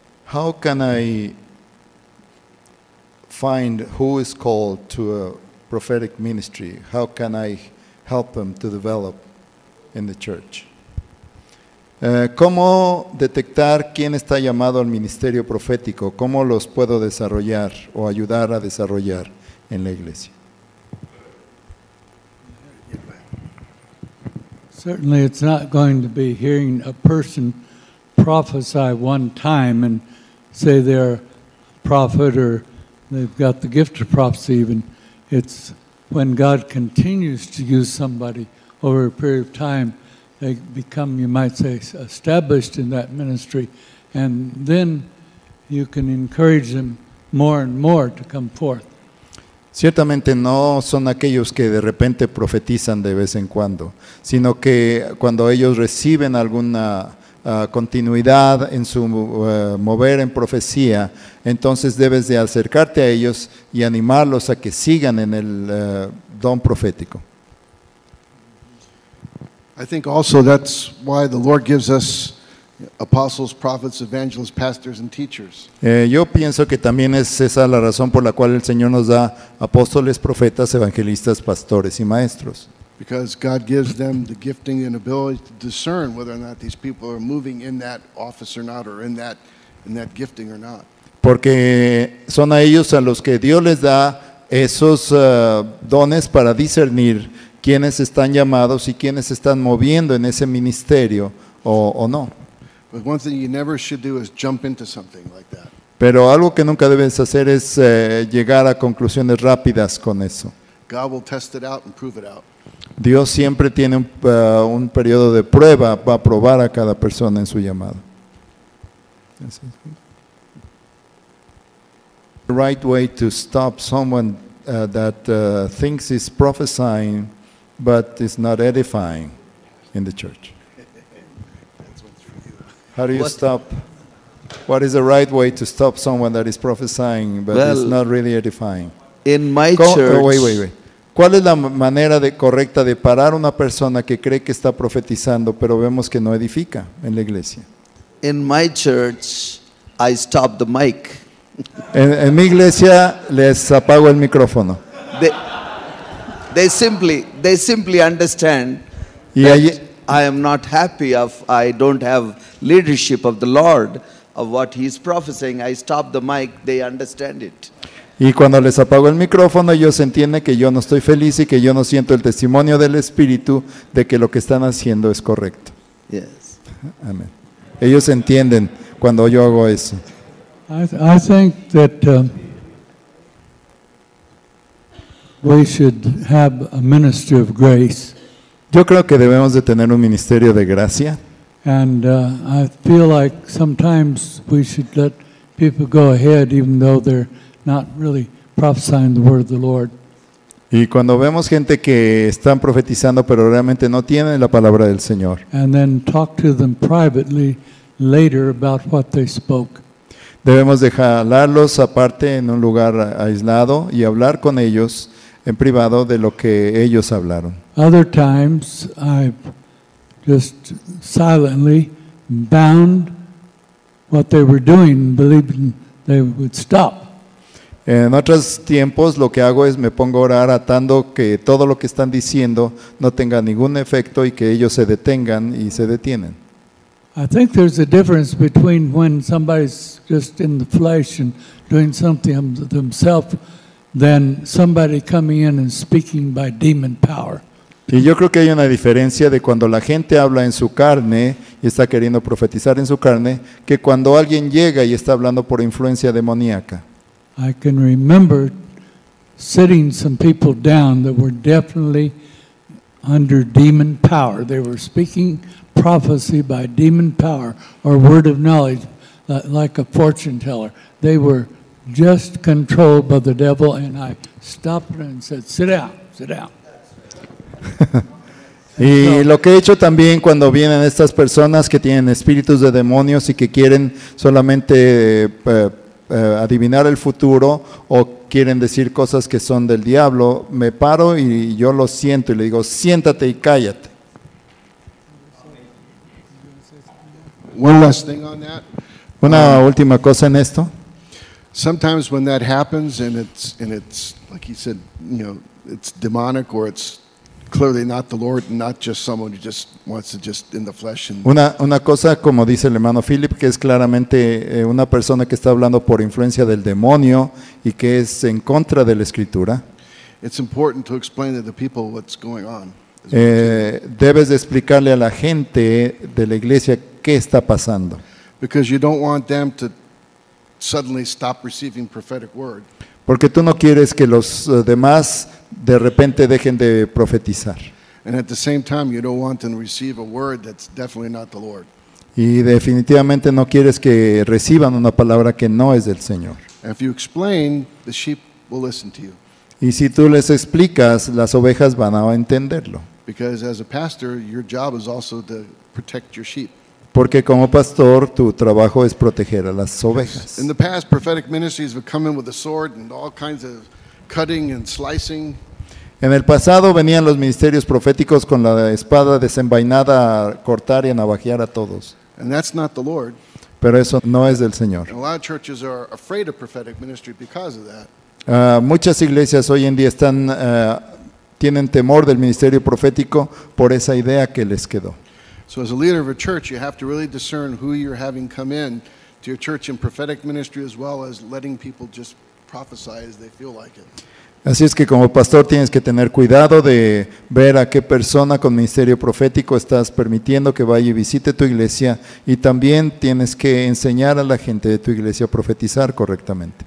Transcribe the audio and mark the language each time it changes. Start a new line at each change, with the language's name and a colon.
English: How can I find who is called to a prophetic ministry? How can I help them to develop in the church?
Spanish: ¿Cómo detectar quién está llamado al ministerio profético? ¿Cómo los puedo desarrollar o ayudar a desarrollar en la iglesia?
English: Certainly it's not going to be hearing a person prophesy one time and say they're a prophet or they've got the gift of prophecy even. It's when God continues to use somebody over a period of time, they become, you might say, established in that ministry, and then you can encourage them more and more to come forth.
Spanish: Ciertamente no son aquellos que de repente profetizan de vez en cuando, sino que cuando ellos reciben alguna continuidad en su mover en profecía, entonces debes de acercarte a ellos y animarlos a que sigan en el don profético.
English: I think also that's why the Lord gives us apostles, prophets, evangelists, pastors, and teachers.
Spanish: Yo pienso que también es esa la razón por la cual el Señor nos da apóstoles, profetas, evangelistas, pastores y maestros.
English: Because God gives them the gifting and ability to discern whether or not these people are moving in that office or not, or in that gifting or not.
Spanish: Porque son a ellos a los que Dios les da esos dones para discernir quiénes están llamados y quiénes están moviendo en ese ministerio o no.
English: But one thing you never should do is jump into something like that.
Spanish: Pero algo que nunca debes hacer es llegar a conclusiones rápidas con eso.
English: God will test it out and prove it out.
Spanish: Dios siempre tiene un periodo de prueba para probar a cada persona en su llamado.
English: The right way to stop someone that thinks is prophesying but is not edifying in the church. How do you stop? What is the right way to stop someone that is prophesying but is not really edifying? In my church. Oh, wait.
Spanish: ¿Cuál es la manera correcta de parar una persona que cree que está profetizando, pero vemos que no edifica en la iglesia?
English: In my church, I stop the mic.
Spanish: En mi iglesia les apago el micrófono.
English: They simply understand I am not happy if I don't have leadership of the Lord of what He is prophesying. I stop the mic. They understand it.
Spanish: Y cuando les apago el micrófono, ellos entienden que yo no estoy feliz y que yo no siento el testimonio del Espíritu de que lo que están haciendo es correcto.
English: Yes.
Spanish: Amen. Ellos entienden cuando yo hago eso.
English: I think that we should have a ministry of grace.
Spanish: Yo creo que debemos de tener un ministerio de gracia.
English: And I feel like sometimes we should let people go ahead even though they're not really prophesying the word of the Lord.
Spanish: Y cuando vemos gente que están profetizando pero realmente no tienen la palabra del Señor.
English: And then talk to them privately later about what they spoke.
Spanish: Debemos dejarlos aparte en un lugar aislado y hablar con ellos en privado de lo que ellos hablaron.
English: Other times I've just silently bound what they were doing, believing they would stop.
Spanish: En otros tiempos lo que hago es me pongo a orar atando que todo lo que están diciendo no tenga ningún efecto y que ellos se detengan y se detienen.
English: I think there's a difference between when somebody's just in the flesh and doing something themselves than somebody coming in and speaking by demon power.
Spanish: Y yo creo que hay una diferencia de cuando la gente habla en su carne y está queriendo profetizar en su carne que cuando alguien llega y está hablando por influencia demoníaca.
English: I can remember sitting some people down that were definitely under demon power. They were speaking prophecy by demon power or word of knowledge, like a fortune teller. they were just controlled by the devil, and I stopped and said, sit down.
Spanish: Y lo que he hecho también cuando vienen estas personas que tienen espíritus de demonios y que quieren solamente adivinar el futuro o quieren decir cosas que son del diablo, me paro y yo lo siento y le digo, siéntate y cállate.
English: One last thing on that.
Spanish: Una última cosa en esto.
English: Sometimes when that happens and it's like he said, you know, it's demonic or it's clearly not the Lord, not just someone who just wants to just in the flesh. And
Spanish: una cosa, como dice el hermano Philip, que es claramente una persona que está hablando por influencia del demonio y que es en contra de la escritura.
English: It's important to explain to the people what's going on.
Spanish: Debes de explicarle a la gente de la iglesia qué está pasando.
English: Because you don't want them to suddenly stop receiving prophetic word.
Spanish: Porque tú no quieres que los demás de repente dejen de profetizar.
English: And at the same time, you don't want them to receive a word that's definitely not the Lord.
Spanish: Y definitivamente no quieres que reciban una palabra que no es del Señor.
English: And if you explain, the sheep will listen to you.
Spanish: Y si tú les explicas, las ovejas van a entenderlo.
English: Because as a pastor, your job is also to protect your sheep.
Spanish: Porque como pastor, tu trabajo es proteger a las ovejas.
English: In the past, prophetic ministries would come in with a sword and all kinds of cutting and slicing.
Spanish: En el pasado venían los ministerios proféticos con la espada desenvainada a cortar y a navajear a todos.
English: And that's not the Lord.
Spanish: Pero eso no es del Señor.
English: And a lot of churches are afraid of prophetic ministry because of that.
Spanish: Muchas iglesias hoy en día están tienen temor del ministerio profético por esa idea que les quedó.
English: So as a leader of a church, you have to really discern who you're having come in to your church in prophetic ministry as well as letting people just prophesy as they feel like it.
Spanish: Así es que como pastor tienes que tener cuidado de ver a qué persona con ministerio profético estás permitiendo que vaya y visite tu iglesia y también tienes que enseñar a la gente de tu iglesia a profetizar correctamente.